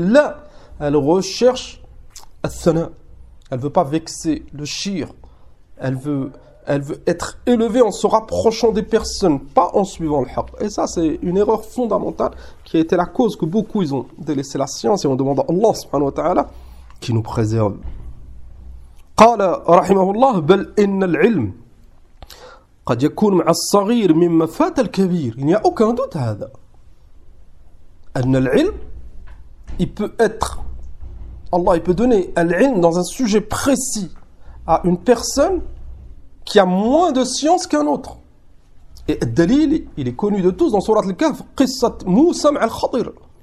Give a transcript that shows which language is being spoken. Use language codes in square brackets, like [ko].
[fr] Là, elle recherche Athana. Elle ne veut pas vexer le shir. Elle veut être élevée en se rapprochant des personnes, pas en suivant le haqq. Et ça, c'est une erreur fondamentale qui a été la cause que beaucoup ils ont délaissé la science et ont demandé à Allah subhanahu wa ta'ala qui nous préserve. [ar] Qala rahimahullah, bel inna l'ilm. قد يكون مع الصغير مما فات الكبير. [fr] Il n'y a aucun doute à ça. [ar] أن العلم, [fr] il peut être, Allah, il peut donner العلم dans un sujet précis à une personne qui a moins de science qu'un autre. Et Dalil, il est connu de tous dans Sourate Al-Kahf, [ar] قصة موسى مع الخضر.